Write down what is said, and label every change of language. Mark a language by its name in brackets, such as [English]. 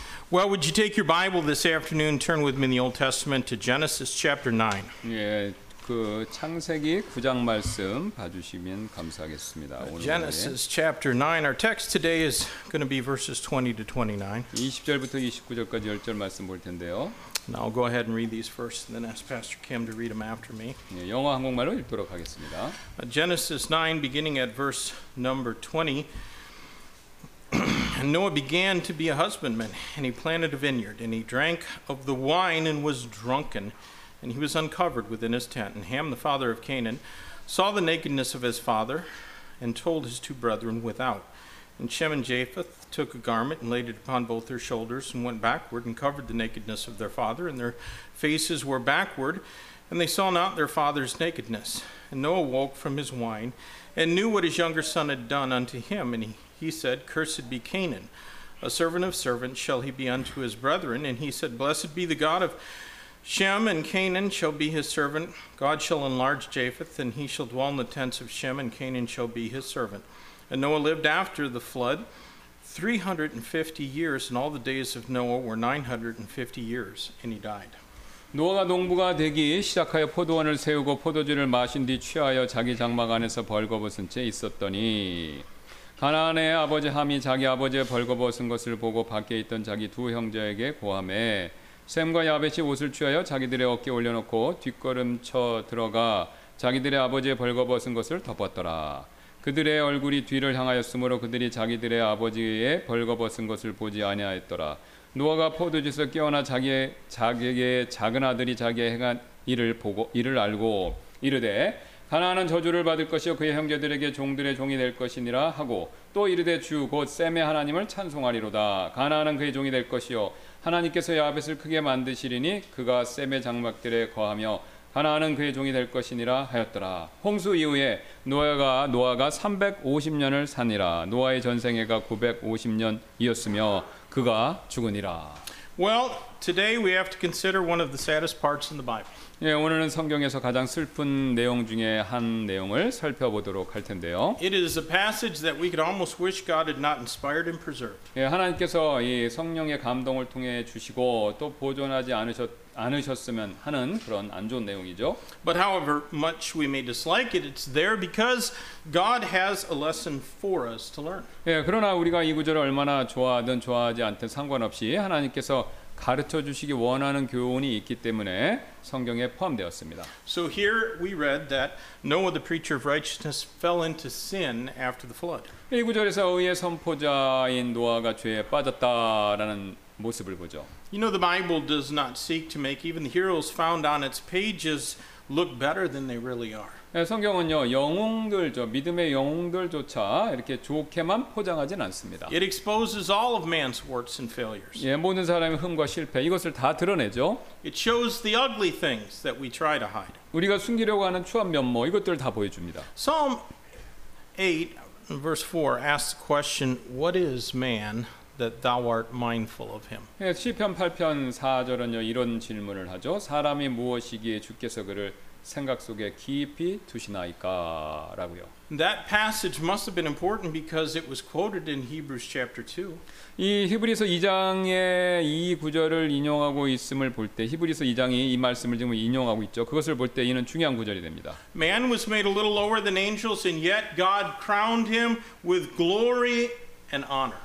[English] Well, would you take your Bible this afternoon, turn with me in the Old Testament to Genesis chapter 9. [Korean] 예, 그 창세기 9장 말씀 봐주시면 감사하겠습니다. [English] Genesis chapter 9. Our text today is going to be verses 20 to 29. [Korean] 20절부터 29절까지 10절 말씀 볼 텐데요. [English] And I'll go ahead and read these first, and then ask Pastor Kim to read them after me. [Korean] 예, 영어 한국말로 읽도록 하겠습니다. [English] Genesis 9, beginning at verse number 20. And Noah began to be a husbandman, and he planted a vineyard, and he drank of the wine and was drunken, and he was uncovered within his tent. And Ham, the father of Canaan, saw the nakedness of his father, and told his two brethren without. And Shem and Japheth took a garment and laid it upon both their shoulders and went backward and covered the nakedness of their father, and their faces were backward, and they saw not their father's nakedness. And Noah woke from his wine and knew what his younger son had done unto him. And he said, Cursed be Canaan, a servant of servants shall he be unto his brethren. And he said, Blessed be the God of Shem, and Canaan shall be his servant. God shall enlarge Japheth, and he shall dwell in the tents of Shem, and Canaan shall be his servant. And Noah lived after the flood 350 years, and all the days of Noah were 950 years, and he died. [Korean] 노아가 농부가 되기 시작하여 포도원을 세우고 포도주를 마신 뒤 취하여 자기 장막 안에서 벌거벗은 채 있었더니 가나안의 아버지 함이 자기 아버지의 벌거벗은 것을 보고 밖에 있던 자기 두 형제에게 고함해 셈과 야벳이 옷을 취하여 자기들의 어깨에 올려놓고 뒷걸음쳐 들어가 자기들의 아버지의 벌거벗은 것을 덮었더라. 그들의 얼굴이 뒤를 향하였으므로 그들이 자기들의 아버지의 벌거벗은 것을 보지 아니하였더라. 노아가 포도주에서 깨어나 자기의 작은 아들이 자기의 행한 일을 보고 이를 알고 이르되 가나안은 저주를 받을 것이요 그의 형제들에게 종들의 종이 될 것이니라 하고 또 이르되 주 곧 셈의 하나님을 찬송하리로다. 가나안은 그의 종이 될 것이요 하나님께서 야벳을 크게 만드시리니 그가 셈의 장막들에 거하며 가나안은 그의 종이 될 것이니라 하였더라. 홍수 이후에 노아가 350년을 사니라. 노아의 전생애가 950년이었으며 그가 죽으니라. [English] Well, today we have to consider one of the saddest parts in the Bible. [Korean] 예, 오늘은 성경에서 가장 슬픈 내용 중에 한 내용을 살펴보도록 할 텐데요. [English] It is a passage that we could almost wish God had not inspired and preserved. [Korean] 예, 하나님께서 이 성령의 감동을 통해 주시고 또 보존하지 않으셨으면 하는 그런 안 좋은 내용이죠. [English] But however much we may dislike it, it's there because God has a lesson for us to learn. [Korean] 예, 그러나 우리가 이 구절을 얼마나 좋아하든 좋아하지 않든 상관없이 하나님께서 가르쳐 주시기 원하는 교훈이 있기 때문에 성경에 포함되었습니다. [English] So here we read that Noah, the preacher of righteousness, fell into sin after the flood. [Korean] 이 구절에서 의의 선포자인 노아가 죄에 빠졌다라는 모습을 보죠. [English] You know, the Bible does not seek to make even the heroes found on its pages look better than they really are. [Korean] 예, 성경은요, 영웅들, 저 믿음의 영웅들조차 이렇게 좋게만 포장하진 않습니다. [English] It exposes all of man's warts and failures. [Korean] 예, 모든 사람의 흠과 실패, 이것을 다 드러내죠. [English] It shows the ugly things that we try to hide. [Korean] 우리가 숨기려고 하는 추한 면모, 이것들을 다 보여줍니다. [English] Psalm 8, verse 4 asks the question, what is man that thou art mindful of him? [Korean] 예, 시편 8편 4절은요, 이런 질문을 하죠. 사람이 무엇이기에 주께서 그를 생각 속에 깊이 두시나이까라고요. [English] That passage must have been important because it was quoted in Hebrews chapter 2. [Korean] 이 히브리서 2장에 이 구절을 인용하고 있음을 볼 때 히브리서 2장이 이 말씀을 지금 인용하고 있죠. 그것을 볼 때 이는 중요한 구절이 됩니다. [English] Man was made a little lower than angels and yet God crowned him with glory and honor.